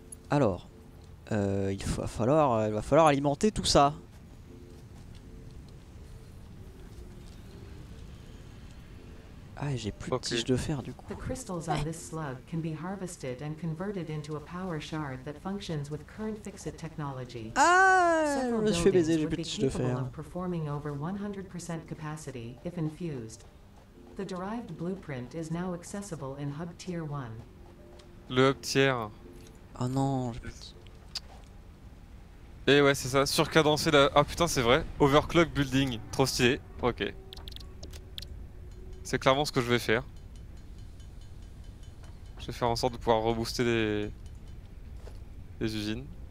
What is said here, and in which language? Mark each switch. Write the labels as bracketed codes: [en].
[fr] Alors. Il va falloir alimenter tout ça. Ah, j'ai plus de tiges de fer du coup. [en] The crystals on this slug can be harvested and converted into a power shard that functions with current fixit technology. [fr] Ah, je me suis fait baiser, j'ai plus de tiges de fer. [en] Performing over 100% capacity if infused. The derived blueprint is now accessible in hub tier 1. [fr] Le hub tier. Ah oh non, j'ai plus de... Et ouais, c'est ça, surcadencé la... Ah putain, c'est vrai, [en] overclock building, [fr] trop stylé, ok. C'est clairement ce que je vais faire. Je vais faire en sorte de pouvoir rebooster les usines.